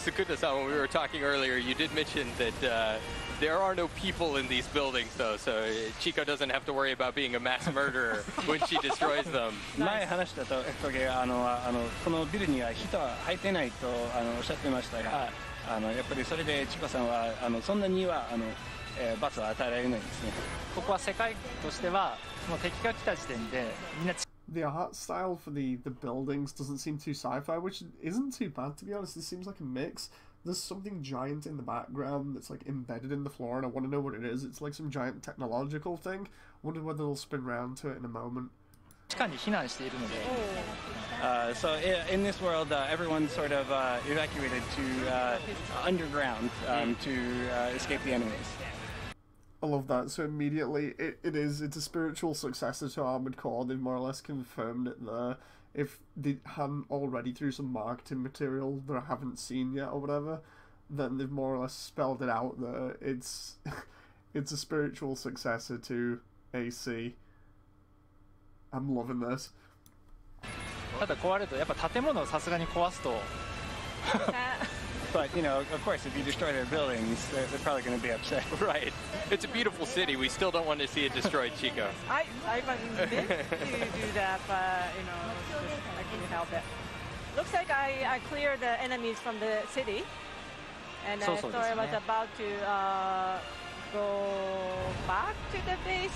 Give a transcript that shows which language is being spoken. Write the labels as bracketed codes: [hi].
[en] Sukuta-san, when we were talking earlier, you did mention that there are no people in these buildings, though, so Chico doesn't have to worry about being a mass murderer when she destroys them. Nice. [ja] 前話だと、このビルには人は入ってないとおっしゃってましたが、あのやっぱりそれでチコさんはあのそんなにはあの、罰は与えられないですね。ここは世界としてはもう敵が来た時点でみんな。 [en] The art style for the buildings doesn't seem too sci-fi, which isn't too bad to be honest. It seems like a mix. There's something giant in the background that's like embedded in the floor, and I want to know what it is. It's like some giant technological thing. I wonder whether they'll spin round to it in a moment. [ja] 地下に避難しているので、 [en] So in this world, everyone's sort of evacuated to underground to escape the enemies. I love that. So immediately, it's a spiritual successor to Armored Core. They've more or less confirmed it there. If they hadn't already through some marketing material that I haven't seen yet or whatever, then they've more or less spelled it out there. It's a spiritual successor to AC. I'm loving this. [ja] ただ壊れるとやっぱ建物をさすがに壊すと。 [en] But you know, of course, if you destroy their buildings, they're probably going to be upset. Right. It's a beautiful city. We still don't want to see it destroyed, Chico. I meant to do that, but you know, I can't help it. Looks like I cleared the enemies from the city, and I thought I was about to go back to the base.